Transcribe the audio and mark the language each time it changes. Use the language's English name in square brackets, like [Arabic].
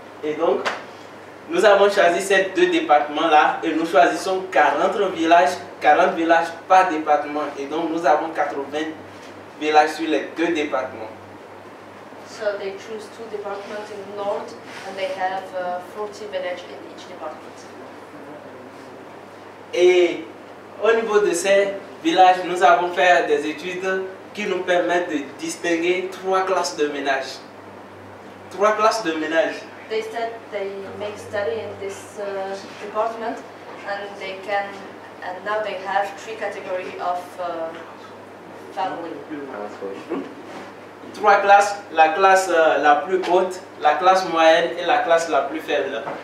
[French] Et donc, nous avons choisi ces deux départements-là et nous choisissons 40 villages par département. Et donc, nous avons 80 villages sur les deux départements. [English] So they choose two departments in the north, and they have 40 villages in each department. [French] Et au niveau de ces villages, nous avons fait des études qui nous permettent de distinguer trois classes de ménages. Trois classes de ménages. [English] They said they make study in this department, and now they have three categories of family. [French] Trois classes, la classe la plus haute, la classe moyenne et la classe la plus faible.